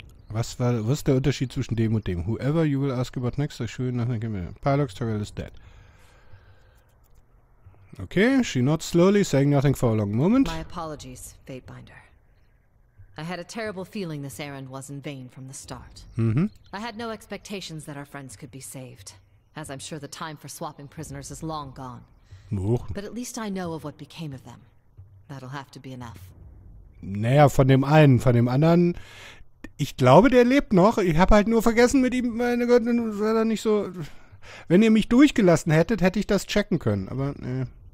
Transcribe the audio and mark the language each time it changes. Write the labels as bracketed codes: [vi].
[de] Was ist der Unterschied zwischen dem und dem? [en] Whoever you will ask about next, I show you nothing. Palox Tyrell is dead. Okay, she nods slowly, saying nothing for a long moment. My apologies, Fatebinder. I had a terrible feeling this errand was in vain from the start. Mm-hmm. I had no expectations that our friends could be saved, as I'm sure the time for swapping prisoners is long gone. Oh. But at least I know of what became of them. That'll have to be enough. [de] Naja, von dem anderen, ich glaube, der lebt noch. Ich habe halt nur vergessen mit ihm, meine Gott, war da nicht so... Wenn ihr mich durchgelassen hättet, hätte ich das checken können, aber ne.